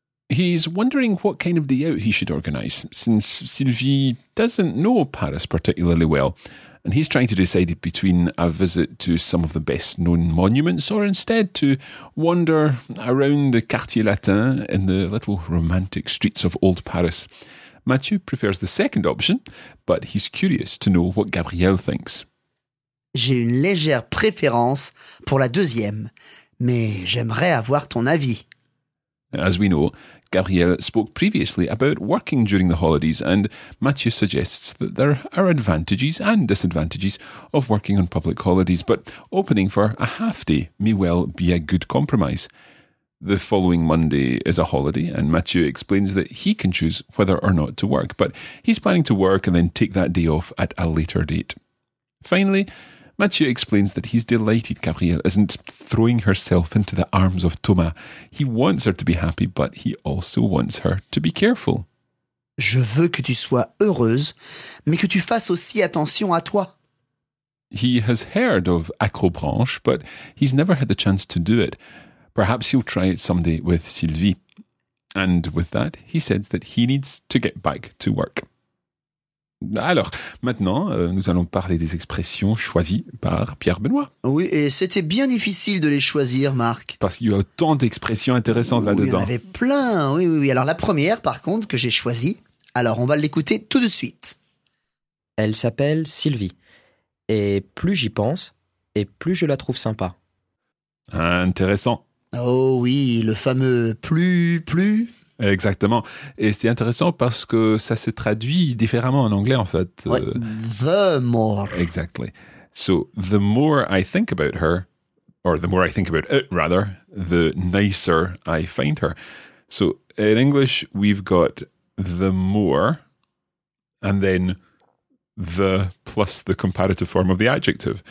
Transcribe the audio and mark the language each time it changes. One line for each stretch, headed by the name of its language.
English: He's wondering what kind of day out he should organise, since Sylvie doesn't know Paris particularly well, and he's trying to decide between a visit to some of the best-known monuments or instead to wander around the Quartier Latin in the little romantic streets of old Paris. Mathieu prefers the second option, but he's curious to know what Gabrielle thinks.
French: J'ai une légère préférence pour la deuxième, mais j'aimerais avoir ton avis.
English: As we know, Gabrielle spoke previously about working during the holidays, and Mathieu suggests that there are advantages and disadvantages of working on public holidays, but opening for a half day may well be a good compromise. The following Monday is a holiday, and Mathieu explains that he can choose whether or not to work, but he's planning to work and then take that day off at a later date. Finally, Mathieu explains that he's delighted Gabrielle isn't throwing herself into the arms of Thomas. He wants her to be happy, but he also wants her to be careful.
French: Je veux que tu sois heureuse, mais que tu fasses aussi attention à toi.
English: He has heard of Acrobranche, but he's never had the chance to do it. Perhaps he'll try it someday with Sylvie. And with that, he says that he needs to get back to work.
French: Alors, maintenant, nous allons parler des expressions choisies par Pierre Benoît. Oui, et c'était bien difficile de les choisir, Marc. Parce qu'il y a tant d'expressions intéressantes là-dedans. Il y en avait plein, oui. Alors la première, par contre, que j'ai choisie, alors on va l'écouter tout de suite. Elle s'appelle Sylvie. Et plus j'y pense, et plus je la trouve sympa. Intéressant. Oh oui, le fameux « plus ». Exactement. Et c'est intéressant parce que ça se traduit différemment en anglais, en fait. Ouais,
English: the more. Exactly. So, the more I think about her, or the more I think about it, rather, the nicer I find her. So, in English, we've got the more, and then the plus the comparative form of the adjective.